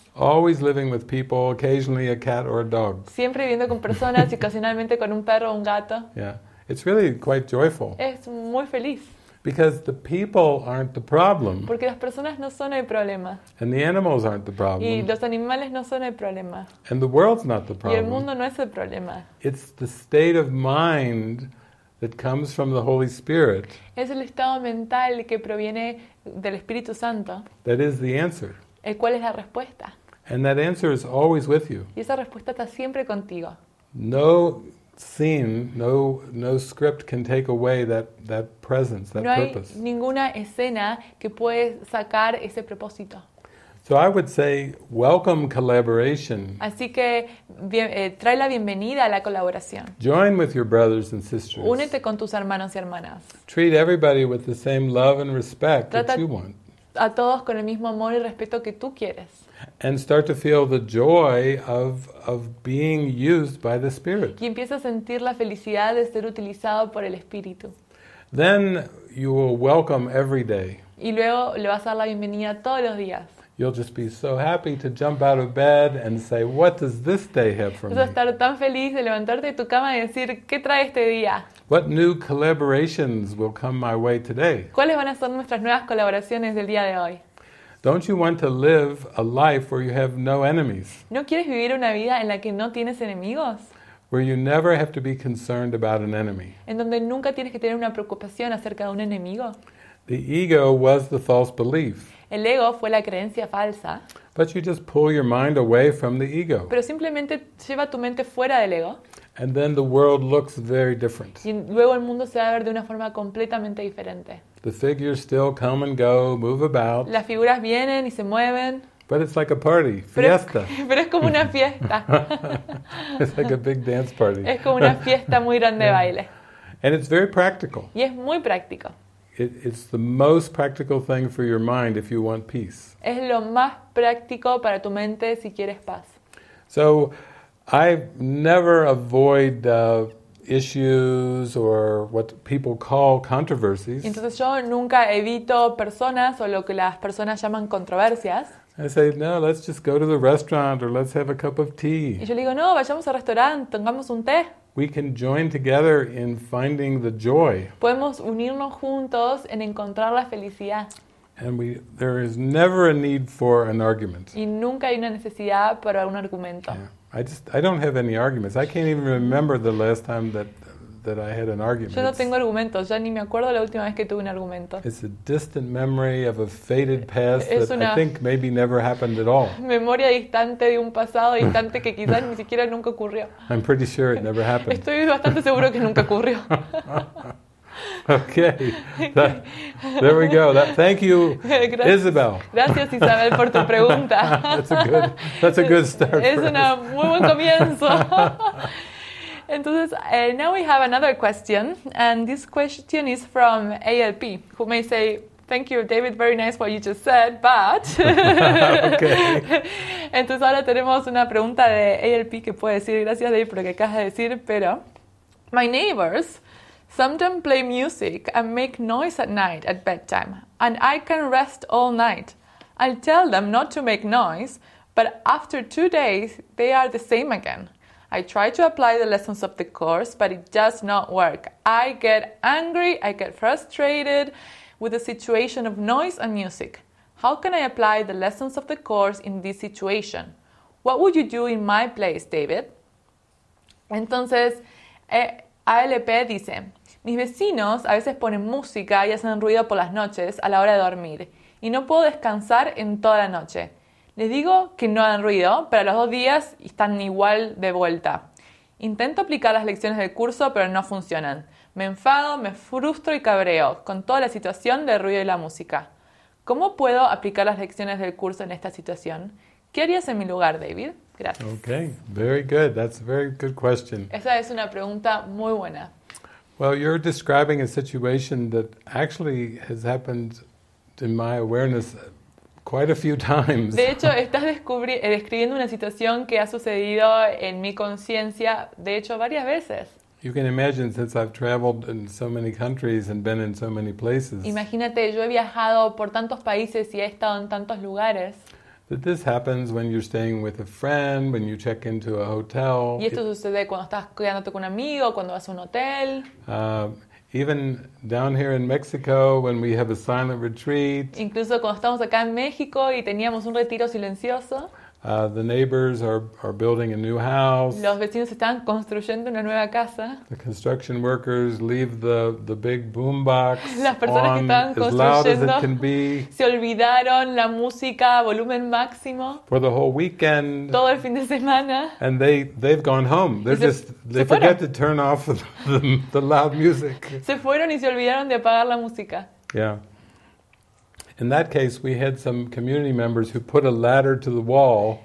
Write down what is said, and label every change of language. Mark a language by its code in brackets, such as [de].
[en] Always living with people, occasionally a cat or a dog. [es] Siempre viviendo con personas y ocasionalmente con un perro o un gato. [en] Yeah. It's really quite joyful. [es] Es muy feliz. [en] Because the people aren't the problem. [es] Porque las personas no son el problema. [en] And the animals aren't the problem. [es] Y los animales no son el problema. [en] And the world's not the problem. [es] Y el mundo no es el problema. [en] It's the state of mind that comes from the Holy Spirit. [es] Es el estado mental que proviene del Espíritu Santo. [en] That is the answer. [es] El cual es la respuesta. [en] And that answer is always with you. [es] Y esa respuesta está siempre contigo. [en] No scene, no script can take away that presence, that purpose. [es] No hay ninguna escena que puede sacar ese propósito. [en] So I would say, welcome collaboration. [es] Así que trae la bienvenida a la colaboración. [en] Join with your brothers and sisters. [es] Únete con tus hermanos y hermanas. [en] Treat everybody with the same love and respect that you want. [es] A todos con el mismo amor y respeto que tú quieres. [en] And start to feel the joy of being used by the Spirit. [es] Y empieza a sentir la felicidad de ser utilizado por el Espíritu. [en] Then you will welcome every day. [es] Y luego le vas a dar la bienvenida todos los días. [en] You'll just be so happy to jump out of bed and say, "What does this day have for me?" [es] Vas a estar tan feliz de levantarte de tu cama y decir, ¿qué trae este día? [en] What new collaborations will come my way today? [es] ¿Cuáles van a ser nuestras nuevas colaboraciones del día de hoy? [en] Don't you want to live a life where you have no enemies? [es] ¿No quieres vivir una vida en la que no tienes enemigos? [en] Where you never have to be concerned about an enemy. [es] En donde nunca tienes que tener una preocupación acerca de un enemigo. [en] The ego was the false belief. [es] El ego fue la creencia falsa. [en] But you just pull your mind away from the ego. [es] Pero simplemente lleva tu mente fuera del ego. [en] And then the world looks very different. [es] Y luego el mundo se va a ver de una forma completamente diferente. [en] The figures still come and go, move about. [es] Las figuras vienen y se mueven. [en] But it's like a party, fiesta. [es] Pero es como una fiesta. [en] It's like a big dance party. [es] Es como una fiesta muy grande de baile. [en] And it's very practical. [es] Y es muy práctico. [en] It's the most practical thing for your mind if you want peace. [es] Es lo más práctico para tu mente si quieres paz. [en] So, I never avoid issues or what people call controversies. [es] Entonces yo nunca evito personas o lo que las personas llaman controversias. [en] I say, no, let's just go to the restaurant or let's have a cup of tea. [es] Y yo le digo, no, vayamos al restaurante, tengamos un té. [en] We can join together in finding the joy. [es] Podemos unirnos juntos en encontrar la felicidad. [en] And there is never a need for an argument. [es] Y nunca hay una necesidad para un argumento. [en] Yeah. I don't have any arguments. I can't even remember the last time that I had an argument. [es] Yo no tengo argumentos. Ya ni me acuerdo la última vez que tuve un argumento. [en] It's a distant memory of a faded past that I think maybe never happened at all. [es] Memoria distante de un pasado distante que quizás ni siquiera nunca ocurrió. [en] I'm pretty sure it never happened. [es] Estoy bastante seguro que nunca ocurrió. [en] Okay. There we go. Thank you, Isabel. [es] Gracias, Isabel, por tu pregunta. [en] That's a good start. [es] Es un muy buen comienzo. [en] Entonces, now we have another question, and this question is from ALP, who may say, thank you, David, very nice what you just said, but... Okay. [es] Entonces, ahora tenemos una pregunta de ALP que puede decir, gracias, David, por lo que acabas de decir, pero... [en] My neighbors sometimes play music and make noise at night at bedtime, and I can rest all night. I'll tell them not to make noise, but after 2 days, they are the same again. I try to apply the lessons of the course, but it does not work. I get angry, I get frustrated with the situation of noise and music. How can I apply the lessons of the course in this situation? What would you do in my place, David? [es] Entonces, ALP dice, mis vecinos a veces ponen música y hacen ruido por las noches a la hora de dormir, y no puedo descansar en toda la noche. Les digo que no hagan ruido, pero a los 2 días están igual de vuelta. Intento aplicar las lecciones del curso, pero no funcionan. Me enfado, me frustro y cabreo con toda la situación del ruido y la música. ¿Cómo puedo aplicar las lecciones del curso en esta situación? ¿Qué harías en mi lugar, David? Gracias. [en] Okay, very good. That's a very good question. [es] Esa es una pregunta muy buena. [en] Well, you're describing a situation that actually has happened in my awareness quite a few times. [es] De hecho, estás describiendo una situación que ha sucedido en mi conciencia, de hecho, varias veces. [en] You can imagine, since I've traveled in so many countries and been in so many places. [es] Imagínate, yo he viajado por tantos países y he estado en tantos lugares. [en] That this happens when you're staying with a friend, when you check into a hotel. [es] Y esto sucede cuando estás quedándote con un amigo, cuando vas a un hotel. [en] Even down here in Mexico, when we have a silent retreat. [es] Incluso cuando estamos acá en México y teníamos un retiro silencioso. [en] The neighbors are building a new house. [es] Los vecinos están construyendo una nueva casa. [en] The construction workers leave the big boombox [es] las personas [en] on [es] que estaban construyendo [en] as loud as it can be. [es] Se olvidaron la música a volumen máximo. [en] For the whole weekend. [es] Todo el fin de semana. [en] And they've gone home. They forget to turn off the loud music. [es] Se fueron y se olvidaron de apagar la música. [en] Yeah. In that case, we had some community members who put a ladder to the wall.